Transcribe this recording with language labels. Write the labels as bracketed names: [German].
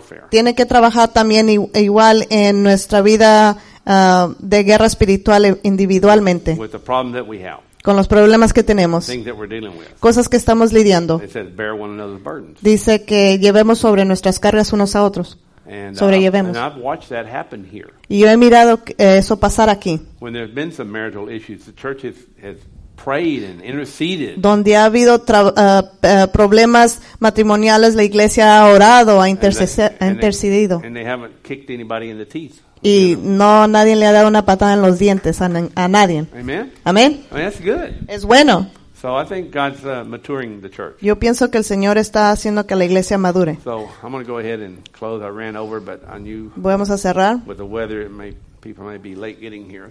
[Spanish] Tiene que trabajar también igual en nuestra vida de guerra espiritual individualmente. Con los problemas que tenemos. Cosas que estamos lidiando. Dice que llevemos sobre nuestras cargas unos a otros. Sobrellevemos. [English] And I've watched that happen here. [Spanish] Y yo he mirado eso pasar aquí. [English] When there have been some marital issues, the church has prayed and interceded. [Spanish] Donde ha habido problemas matrimoniales, la iglesia ha orado, ha intercedido. [English] And they haven't kicked anybody in the teeth. [Spanish] Y no, nadie le ha dado una patada en los dientes a nadie. [English] Amen. [Spanish] Amen. [English] I mean, that's good. [Spanish] Es bueno. [English] So I think God's maturing the church. [Spanish] Yo pienso que el Señor está haciendo que la iglesia madure. [English] So I'm going to go ahead and close. I ran over, but I knew. [Spanish] Vamos a cerrar. With the weather, people may be late getting here.